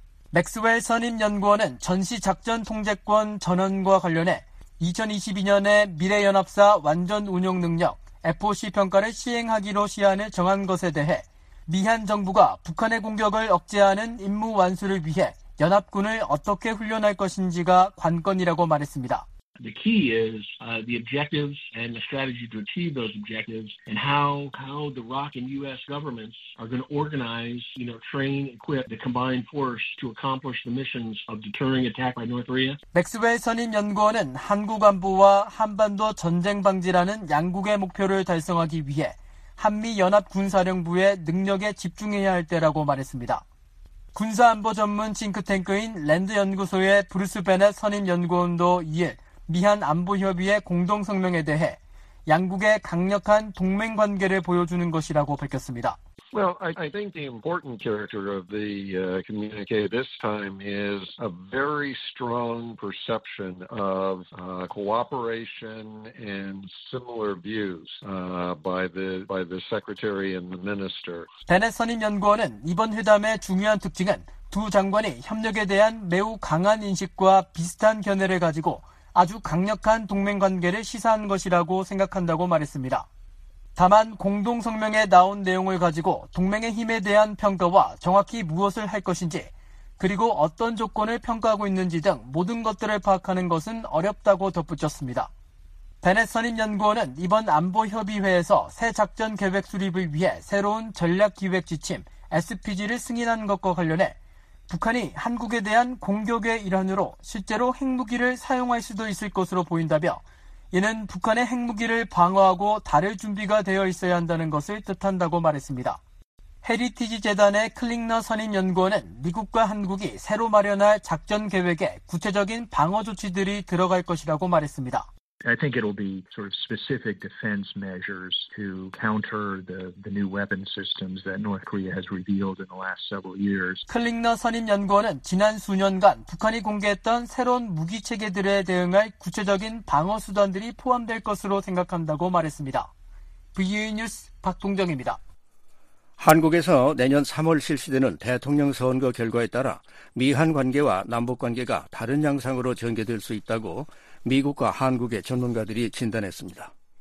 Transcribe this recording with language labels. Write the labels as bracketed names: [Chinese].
[Korean] 맥스웰 선임연구원은 전시작전통제권 전환과 관련해 2022년에 미래연합사 완전운용능력 FOC 평가를 시행하기로 시한을 정한 것에 대해 미한 정부가 북한의 공격을 억제하는 임무 완수를 위해 연합군을 어떻게 훈련할 것인지가 관건이라고 말했습니다. [English] The key is the objectives and the strategy to achieve those objectives and how the Iraq and U.S. governments are going to organize, you know, train, equip the combined force to accomplish the missions of deterring attack by North Korea. [Korean] 맥스웰 선임 연구원은 한국 안보와 한반도 전쟁 방지라는 양국의 목표를 달성하기 위해 한미연합군사령부의 능력에 집중해야 할 때라고 말했습니다. 군사안보 전문 싱크탱크인 랜드연구소의 브루스 베넷 선임연구원도 이에 미한 안보협의의 공동성명에 대해 양국의 강력한 동맹관계를 보여주는 것이라고 밝혔습니다. [English] Well, I think the important character of the communique this time is a very strong perception of cooperation and similar views by the secretary and the minister. [Korean] 베넷 선임 연구원은 이번 회담의 중요한 특징은 두 장관이 협력에 대한 매우 강한 인식과 비슷한 견해를 가지고 아주 강력한 동맹관계를 시사한 것이라고 생각한다고 말했습니다. 다만 공동성명에 나온 내용을 가지고 동맹의 힘에 대한 평가와 정확히 무엇을 할 것인지 그리고 어떤 조건을 평가하고 있는지 등 모든 것들을 파악하는 것은 어렵다고 덧붙였습니다. 베넷 선임 연구원은 이번 안보협의회에서 새 작전 계획 수립을 위해 새로운 전략기획 지침 SPG를 승인한 것과 관련해 북한이 한국에 대한 공격의 일환으로 실제로 핵무기를 사용할 수도 있을 것으로 보인다며 이는 북한의 핵무기를 방어하고 다룰 준비가 되어 있어야 한다는 것을 뜻한다고 말했습니다. 헤리티지 재단의 클링너 선임 연구원은 미국과 한국이 새로 마련할 작전 계획에 구체적인 방어 조치들이 들어갈 것이라고 말했습니다. [English] I think it'll be sort of specific defense measures to counter the new weapon systems that North Korea has revealed in the last several years. [Korean] 클링너 선임 연구원은 지난 수년간 북한이 공개했던 새로운 무기 체계들에 대응할 구체적인 방어 수단들이 포함될 것으로 생각한다고 말했습니다. VOA 뉴스 박동정입니다. 한국에서 내년 3월 실시되는 대통령 선거 결과에 따라 미한 관계와 남북 관계가 다른 양상으로 전개될 수 있다고 미국과 한국의 전문가들이 진단했습니다.